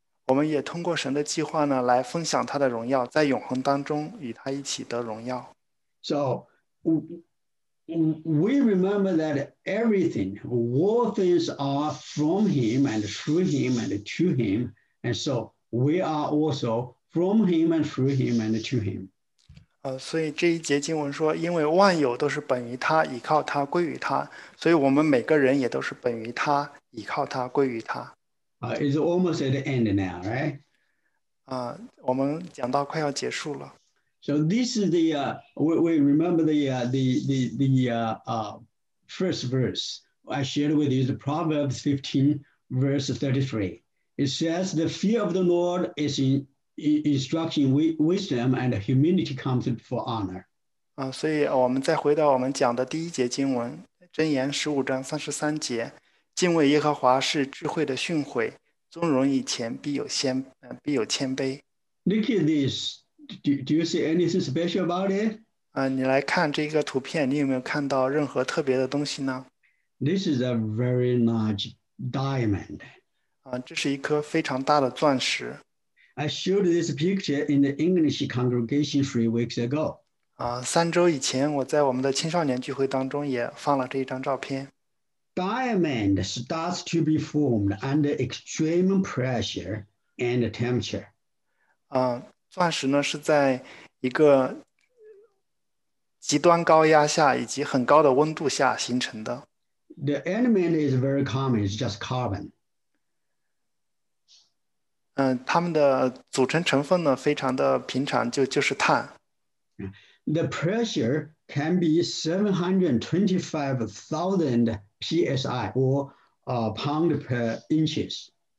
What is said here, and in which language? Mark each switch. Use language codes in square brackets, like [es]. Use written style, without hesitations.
[zh] 我们也通过神的计划呢，来分享他的荣耀，在永恒当中与他一起得荣耀。 [en] So we remember that everything, all things are from him and through him and to him. And so we are also from him and through him and to him. [zh] 所以这一节经文说，因为万有都是本于他，依靠他，归于他，所以我们每个人也都是本于他，依靠他，归于他。 [en] It's almost at the end now, right? [zh] 我们讲到快要结束了。 [en] So this is the we remember the first verse I shared with you, the Proverbs 15, verse 33. It says, "The fear of the Lord is in instruction, wisdom, and humility comes before honor." [zh] 所以我们再回到我们讲的第一节经文，箴言15章33节，敬畏耶和华是智慧的训诲，尊荣以前必有谦卑。 [en] Look at this. Do you see anything special about it? [zh] 你来看这个图片，你有没有看到任何特别的东西呢？ [en] This is a very large diamond. [zh] 这是一颗非常大的钻石。 [en] I showed this picture in the English congregation 3 weeks ago. [zh] 3周以前，我在我们的青少年聚会当中也放了这一张照片。 [en] Diamond starts to be formed under extreme pressure and temperature. [zh] 钻石呢是在一个极端高压下以及很高的温度下形成的。 [en] The element is very common, it's just carbon. [zh] 它们的组成成分呢非常的平常，就是碳。 [en] The pressure can be 725,000 PSI or pound per inches.